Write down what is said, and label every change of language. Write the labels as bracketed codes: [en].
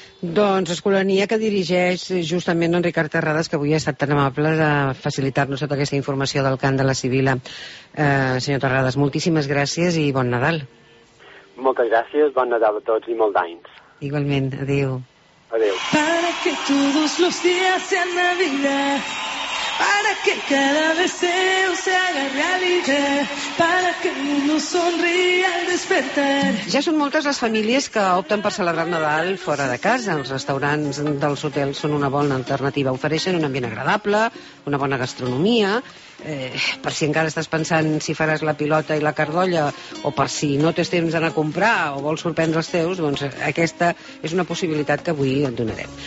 [ca] Doncs, escolania que dirigeix justament en Ricard Terrades, que avui ha estat tan amable de facilitar-nos tota aquesta informació del cant de la Sibil·la. Senyor Terrades, moltíssimes gràcies i bon Nadal. Moltes gràcies, bon Nadal a tots i molt d'anys. Igualment, adéu. Adéu. [es] Para que todos los días sean Navidad. Para... para que cada deseo se haga realidad, para que el mundo sonría al despertar. [ca] Ja són moltes les famílies que opten per celebrar Nadal fora de casa. Els restaurants dels hotels són una bona alternativa. Ofereixen un ambient agradable, una bona gastronomia. Per si encara estàs pensant si faràs la pilota i la cardolla, o per si no tens temps d'anar a comprar o vols sorprendre els teus, doncs aquesta és una possibilitat que avui et donarem.